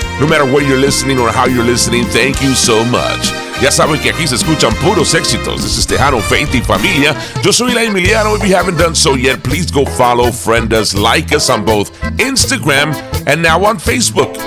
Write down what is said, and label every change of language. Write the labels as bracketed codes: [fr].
[en] No matter where you're listening or how you're listening, thank you so much. [es] Ya saben que aquí se escuchan puros éxitos. [en] This is Tejano, Faith y Familia. [es] Yo soy La Emiliano. [en] If you haven't done so yet, please go follow, friend us, like us on both Instagram and now on Facebook.